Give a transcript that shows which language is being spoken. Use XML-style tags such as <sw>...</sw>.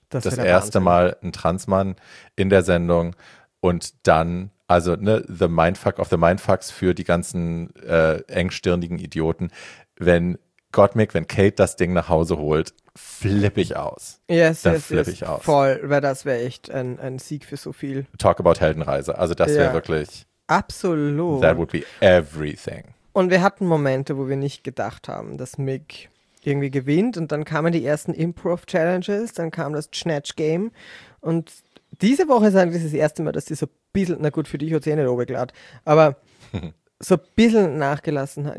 <de>Das erste Wahnsinn. Mal ein Transmann in der Sendung und dann also, ne,</de> <en>the mindfuck of the mindfucks</en> <de>für die ganzen engstirnigen Idioten. Wenn Gottmik, wenn Kate das Ding nach Hause holt, flipp ich aus. Yes, flipp ich aus. Voll, weil das wäre echt ein Sieg für so viel.</de> <en>Talk about Heldenreise.</en> <de>Also das wäre wirklich absolut.</de> <en>That would be everything.</en> <de>Und wir hatten Momente, wo wir nicht gedacht haben, dass Mick irgendwie gewinnt. Und dann kamen die ersten Improv-Challenges, dann kam das Snatch-Game. Und diese Woche ist eigentlich das erste Mal, dass sie so bisschen, na gut, für dich hat sie eh nicht runtergeladen, aber so ein bisschen nachgelassen hat.</de>